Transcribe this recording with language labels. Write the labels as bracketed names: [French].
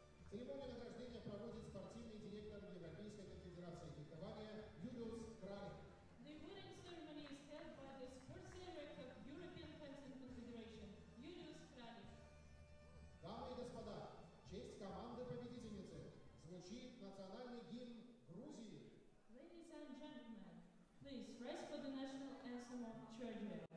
[Russian] Церемонию награждения проводит спортивный директор Европейской конфедерации фехтования Юлиус Кралик. [English] The winning ceremony is held by the sports director of European Fencing Confederation, Юлиус Кралик. [Russian] Дамы и господа, в честь команды-победительницы звучит национальный гимн Грузии. [English] Ladies and gentlemen, please rise for the national anthem of Georgia.